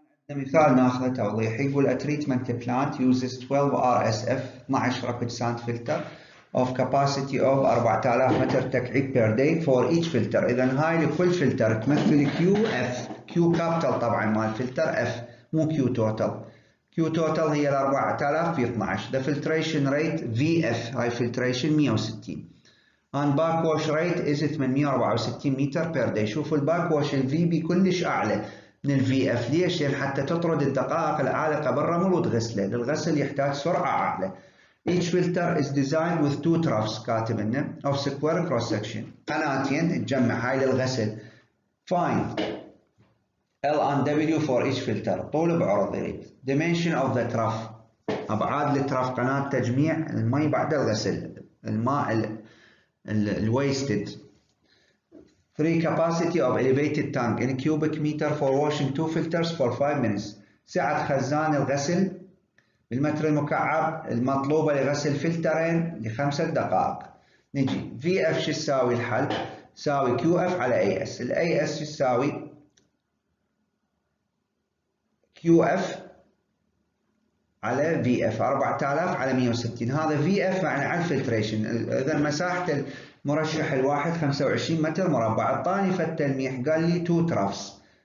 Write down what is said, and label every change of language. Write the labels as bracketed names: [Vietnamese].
[Arabic] عندنا مثال ناخذه توضيح يقول [English] A treatment plant uses 12 RSF 12 rapid sand filter of capacity of [Arabic] 4000 متر تكعيب بير داي فور ايتش فلتر، اذا هاي لكل فلتر تمثل كيو اف، كيو كابيتال طبعا مال فلتر اف مو كيو توتال، كيو توتال هي ال 4000 في 12، [English] the filtration rate [Arabic] في اف هاي filtration 160 [English] and back wash rate is 864 [Arabic] متر بير داي، شوفوا الباك واش الفي بي كلش اعلى من الفي اف، ليش؟ لان حتى تطرد الدقائق العالقه بالرمل وتغسله، للغسل يحتاج سرعه اعلى. [English] Each filter is designed with two troughs [Arabic] كاتب انه [English] of square cross section [Arabic] قناتين تجمع هاي للغسل. [English] Fine. L and W for each filter [Arabic] طول بعرض يريد. [English] Dimension of the trough [Arabic] ابعاد الترف قناه تجميع المي بعد الغسل الماء ال wasted. [English] Free capacity of elevated tank in cubic meter for washing two filters for 5 minutes. [Arabic] سعة خزان الغسل بالمتر المكعب المطلوبة لغسل فلترين لخمسة دقائق. نجي VF شو يساوي الحل؟ يساوي QF على AS. الـ AS شو يساوي؟ QF على VF 4000 على 160، هذا VF معنى على الفلتريشن، إذا مساحة المرشح الواحد 25 متر مربع، اعطاني فالتلميح قال لي 2 ترافس.